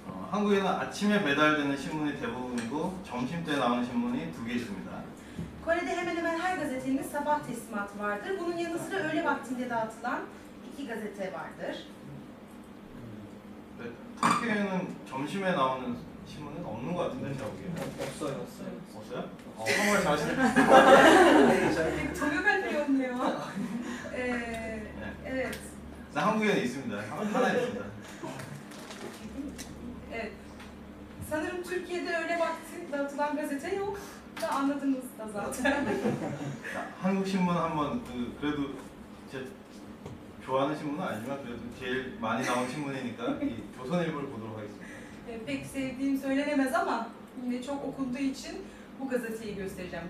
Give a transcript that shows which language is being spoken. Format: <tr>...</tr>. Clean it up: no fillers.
<ko>한국에는 아침에 배달되는 신문이 대부분이고 점심 때 나오는 신문이 두 개 있습니다.</ko> <tr>코레데 hemen hemen her gazetenin sabah teslimatı vardır. Bunun yanı sıra öğle vaktinde dağıtılan iki gazete vardır.</tr> <ko>네, 터키에는 점심에 나오는 신문은 없는 것 같은데 제가 보기에는 없어요. 없어요? 정말 잘하시네요. 정육할 때 없네요. 네, 한국에는 있습니다. 하나 있습니다. 네, 사실은</ko> <tr>Türkiye'de öğle vakti dağıtılan gazete yok. 다 anladınız da zaten.</tr> <ko>한국 신문 한번 그 그래도 제 좋아하는 신문은 아니지만 그래도 제일 많이 나온 신문이니까 이 조선일보를 보도록 하겠습니다.</ko> <tr>네, 팩 sevdiğim söylenemez ama yine çok okunduğu için bu gazeteyi göstereceğim.</tr>